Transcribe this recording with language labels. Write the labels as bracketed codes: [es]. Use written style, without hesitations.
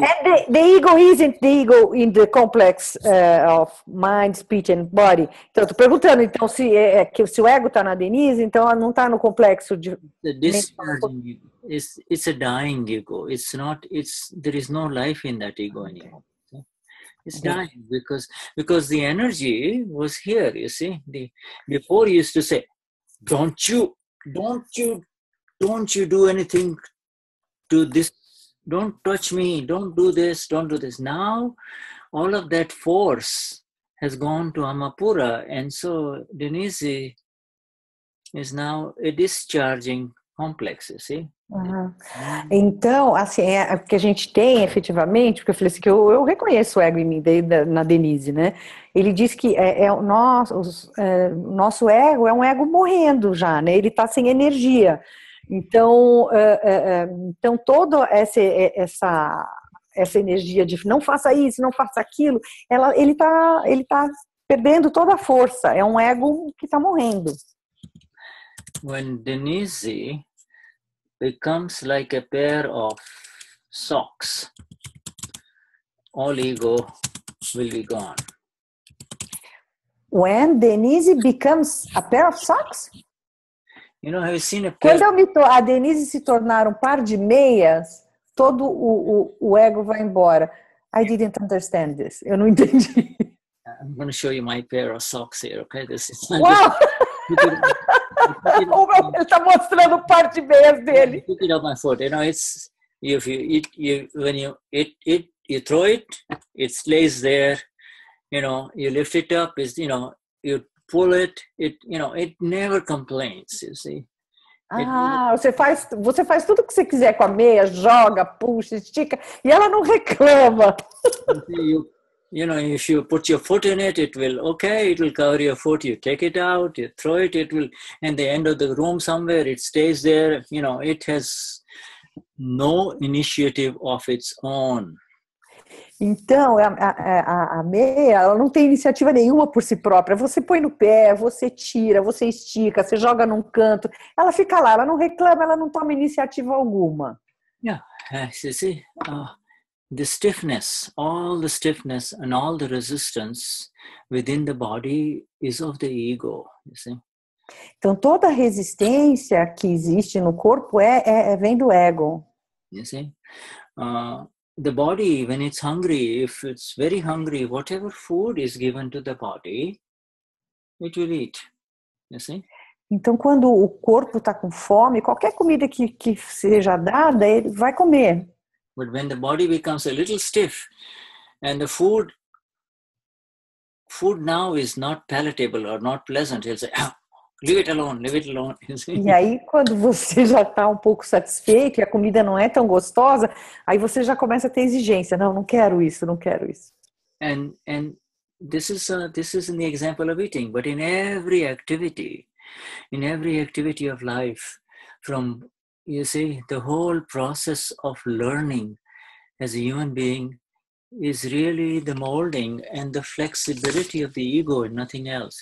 [en] And the ego isn't the ego in the complex of mind, speech and body. [pt] Então, estou perguntando, então, se o ego está na Denise, então ela não está no complexo de... [en] The discharging ego. It's a dying ego. It's not... There is no life in that ego anymore. It's dying because the energy was here, you see. Before you used to say... Don't you do anything to this, don't touch me, don't do this. Now all of that force has gone to Amapura, and so Denise is now a discharging complex, you see. [pt] Então, assim, o que a gente tem efetivamente, porque eu falei assim, que eu reconheço o ego em mim, na Denise, né? Ele diz que nosso ego é um ego morrendo já, né? Ele está sem energia. Então, então toda essa energia de não faça isso, não faça aquilo, ele está perdendo toda a força. É um ego que está morrendo. [en] When Denise becomes like a pair of socks, all ego will be gone. When Denise becomes a pair of socks? You know, have you seen a pair? [pt] Quando a Denise se tornar um par de meias, todo o ego vai embora. [en] I didn't understand this. [pt] Eu não entendi. [en] I'm going to show you my pair of socks here, okay? This is wow! [pt] Ele está mostrando o par de meias dele. [en] Pick it up my foot. You know, it's if you eat you when you eat you throw it, it stays there. You know, you lift it up, is you know, you pull it, it you know, it never complains, you see. [pt] Você faz tudo o que você quiser com a meia, joga, puxa, estica, e ela não reclama. [en] You know, if you put your foot in it, it will, okay, it will cover your foot, you take it out, you throw it, it will, in the end of the room somewhere, it stays there, you know, it has no initiative of its own. [pt] Então, a meia, ela não tem iniciativa nenhuma por si própria. Você põe no pé, você tira, você estica, você joga num canto. Ela fica lá, ela não reclama, ela não toma iniciativa alguma. Yeah, você vê? [en] The stiffness, all the stiffness and all the resistance within the body is of the ego, you see? [pt] Então, toda a resistência que existe no corpo vem do ego. [en] You see? The body, when it's hungry, if it's very hungry, whatever food is given to the body, it will eat. You see? [pt] Então, quando o corpo está com fome, qualquer comida que seja dada, ele vai comer. [en] But when the body becomes a little stiff and the food now is not palatable or not pleasant, he'll say, leave it alone. [pt] E aí, quando você já está um pouco satisfeito e a comida não é tão gostosa, aí você já começa a ter exigência. Não quero isso. [en] And this is in the example of eating, but in every activity of life, from, you see, the whole process of learning as a human being is really the molding and the flexibility of the ego and nothing else.